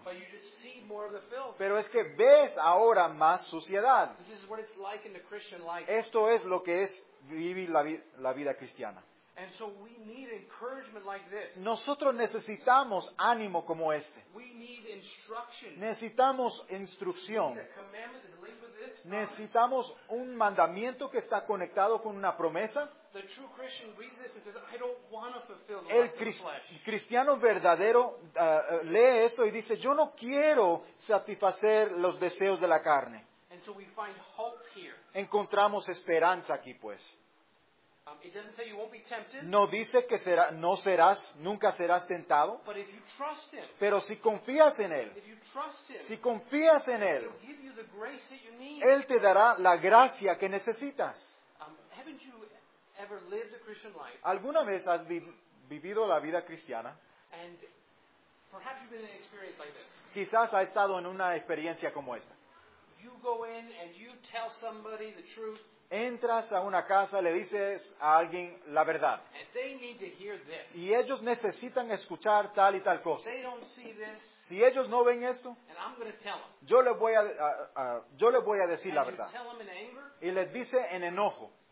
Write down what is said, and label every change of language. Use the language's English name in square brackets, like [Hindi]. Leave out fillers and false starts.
[English] But you just see more of the filth. [Spanish] Pero es que ves ahora más suciedad. [English] This is what it's like in the Christian life. [Spanish] Esto es lo que es vivir la vida cristiana. [English] And so we need encouragement like this. [Spanish] Nosotros necesitamos ánimo como este. [English] We need instruction. [Spanish] Necesitamos instrucción. [English] We need a commandment that's linked with this promise. [Spanish] Necesitamos un mandamiento que está conectado con una promesa. [English] The true Christian reads this and says, I don't want to fulfill the [Spanish] El cristiano verdadero lee esto y dice, yo no quiero satisfacer los deseos de la carne. [English] And so we find hope here. [Spanish] Encontramos esperanza aquí, pues. [English] It doesn't say you won't be tempted. [Spanish] No dice que será, no serás, nunca serás tentado. [English] But if you trust him, [Spanish] pero si confías en Él, [English] if you trust him, [Spanish] si confías en Él, [English] he'll give you the grace that you need. [Spanish] Él te dará la gracia que necesitas. [English] Haven't you ever lived a Christian life? [Spanish] ¿Alguna vez has vivido la vida cristiana? [English] And Perhaps you've been in an experience like this. [Spanish] Quizás ha estado en una experiencia como esta. [English] You go in and you tell somebody the truth. [Spanish] Entras a una casa, le dices a alguien la verdad. [English] And they need to hear this. [Spanish] Y ellos necesitan escuchar tal y tal cosa. [English] They don't see this. [Spanish] Si ellos no ven esto, yo les voy a decir la verdad. Y les dice en enojo.